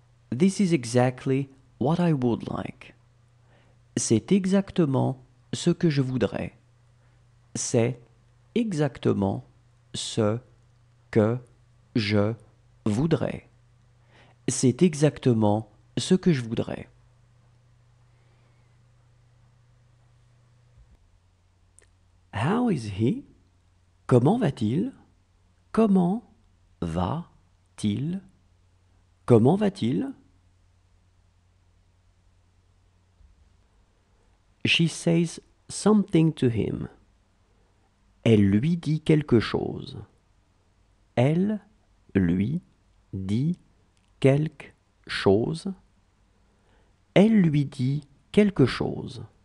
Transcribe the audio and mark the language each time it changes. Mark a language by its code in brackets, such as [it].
[en] This is exactly what I would like. [fr] C'est exactement ce que je voudrais. C'est exactement ce que je voudrais. C'est exactement ce que je voudrais. [en] How is he? [fr] Comment va-t-il? Comment va-t-il? Comment va-t-il? [en] She says something to him. [fr] Elle lui dit quelque chose. Elle lui dit quelque chose. Elle lui dit quelque chose.